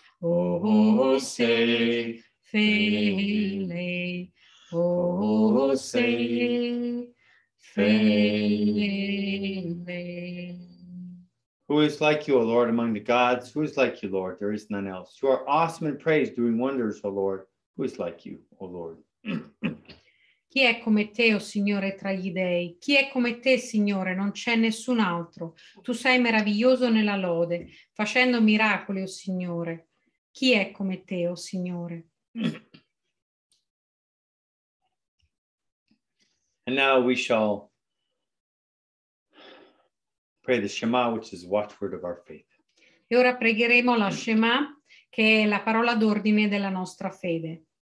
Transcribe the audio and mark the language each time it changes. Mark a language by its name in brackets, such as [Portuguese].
[English] Osei Felei. Osei Felei. Who is like you, O Lord, among the gods? Who is like you, Lord? There is none else. You are awesome in praise, doing wonders, O Lord. Who is like you, O Lord? [Italian] Chi è come te, O Signore, tra gli dèi? Chi è come te, Signore? Non c'è nessun altro. Tu sei meraviglioso nella lode, facendo miracoli, O Signore. Chi è come te, o Signore? [English] And now we shall pray the Shema, which is the watchword of our faith. [Italian] E ora pregheremo la Shema, che è la parola d'ordine della nostra fede.